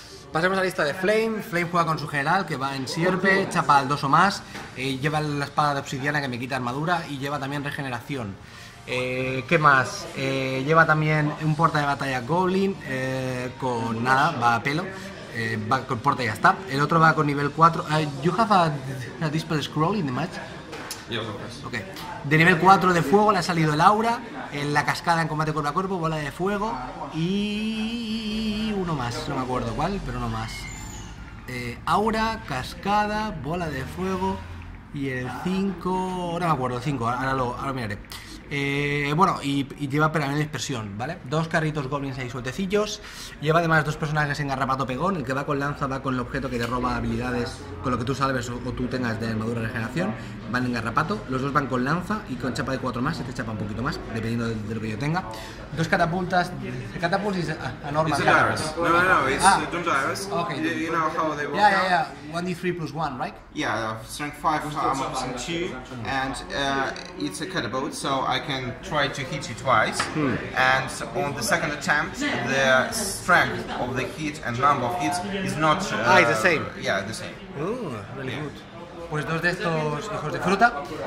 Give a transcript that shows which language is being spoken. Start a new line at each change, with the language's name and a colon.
Spanish: Pasemos a la lista de Flame. Flame juega con su general, que va en sierpe, chapa al 2 o más, lleva la espada de obsidiana que me quita armadura y lleva también regeneración. ¿Qué más? Lleva también un porta de batalla Goblin, con nada, va a pelo, va con porta y ya está. El otro va con nivel 4.
English: You have a Dispel Scroll in the match?
Spanish: Yo creo. Ok. De nivel 4 de fuego le ha salido el aura, en la cascada en combate cuerpo a cuerpo, bola de fuego y uno más, no me acuerdo cuál, pero uno más. Aura, cascada, bola de fuego y el 5, no me acuerdo, 5, ahora lo miraré. Bueno, y lleva pergamino de dispersión, ¿vale? 2 carritos goblins ahí sueltecillos. Lleva además 2 personajes en garrapato pegón. El que va con lanza va con el objeto que te roba habilidades con lo que tú salves o tú tengas de armadura de regeneración. Van en garrapato. Los dos van con lanza y con chapa de 4 más. Este chapa un poquito más, dependiendo de lo que yo tenga. 2 catapultas. Catapultas es anormal. No, es un Jairus. Ok. Yeah.
English: 1d3 plus 1, right? Yeah, strength 5, armor plus 2. And it's a catapult, so I can try to hit you twice. And on the second attempt, the strength of the hit and number of hits is not... It's the same. Yeah, the same. Good.
Spanish: Pues 2 de estos hijos de fruta.